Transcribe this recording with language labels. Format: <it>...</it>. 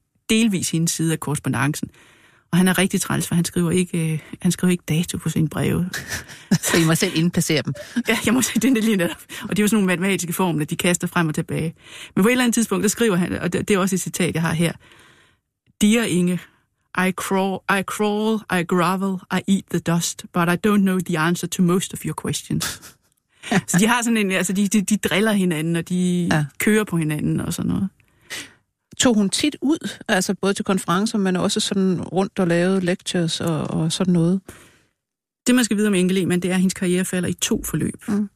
<da>Delvis hendes side af korrespondancen. Og han er rigtig træls, for han skriver ikke dato på sine breve. Så I må selv indplacere dem. Ja, jeg må sige, det er lige netop. Og det er jo sådan nogle matematiske formler, de kaster frem og tilbage. Men på et eller andet tidspunkt, der skriver han, og det er også et citat, jeg har her.</da> <en>Dear Inge, I crawl, I grovel, I eat the dust, but I don't know the answer to most of your questions.</en> <da>Så de har sådan en, altså de driller hinanden, og de kører på hinanden og sådan noget. Tog hun tit ud, altså både til konferencer, men også sådan rundt og lavede lectures og sådan noget? Det, man skal vide om Inge Lehmann, det er, at hendes karriere falder i to forløb. Mm.</da>